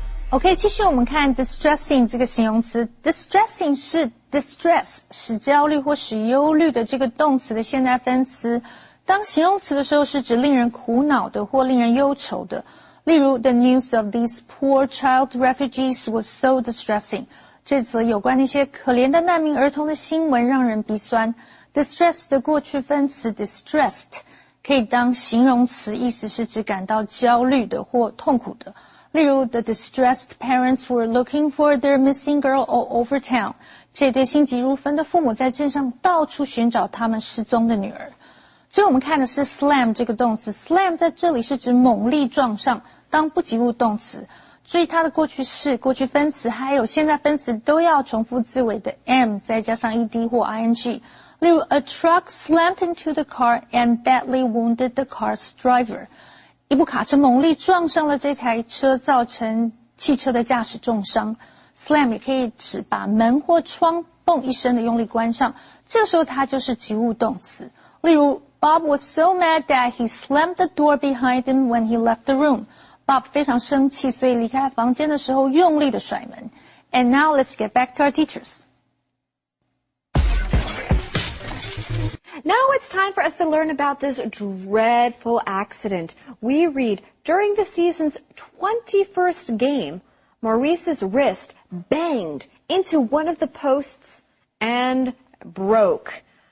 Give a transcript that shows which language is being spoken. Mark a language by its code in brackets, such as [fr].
[zh] OK, 继续我们看 distressing 这个形容词。distressing 是 distress, 使焦虑或使忧虑的这个动词的现在分词。当形容词的时候是指令人苦恼的或令人忧愁的。例如 [en] ,the news of these poor child refugees was so distressing. [zh] 这则有关那些可怜的难民儿童的新闻让人鼻酸。 distress 的过去分词 distressed 可以当形容词意思是指感到焦虑的或痛苦的。例如 [en] ,the distressed parents were looking for their missing girl all over town. [zh] 这对心急如焚的父母在镇上到处寻找他们失踪的女儿。所以我们看的是 slam 这个动词。slam 在这里是指猛力撞上当不及物动词。注意它的过去式、过去分词还有现在分词都要重复字尾的 m 再加上 ed 或 ing。例如 [en] ,a truck slammed into the car and badly wounded the car's driver。 [zh] 一部卡车猛力撞上了这台车，造成汽车的驾驶重伤。 Slam 也可以指把门或窗蹦一声的用力关上，这时候它就是及物动词。例如 [en] ，Bob was so mad that he slammed the door behind him when he left the room. [zh] Bob 非常生气，所以离开房间的时候用力的甩门。 [en] And now let's get back to our teachers. Now it's time for us to learn about this dreadful accident. We read, during the season's 21st game, Maurice's wrist banged into one of the posts and broke.